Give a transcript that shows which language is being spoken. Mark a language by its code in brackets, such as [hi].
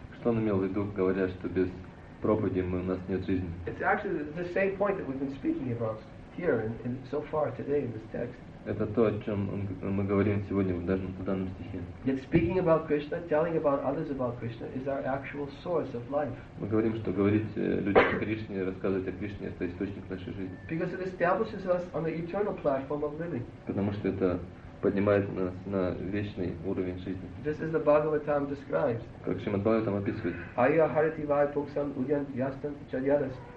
[ru] Что он имел в виду, говоря, что без проповеди у нас нет жизни? [en] It's actually the same point that we've been speaking about here and so far today in this text. [ru] Это то, о чем мы говорим сегодня даже в данном стихе. [en] Yet speaking about Krishna, telling about others about Krishna is our actual source of life. [ru] Мы говорим, что говорить людям о Кришне, рассказывать о Кришне, это источник нашей жизни. [en] Because it establishes us on the eternal platform of living. [ru] Потому что это поднимает нас на вечный уровень жизни. [en] This is the Bhagavatam describes. [ru] Как Шримад Бхагаватам описывает. [sa] Айя харити вай пуксан удян ястан чадьярас.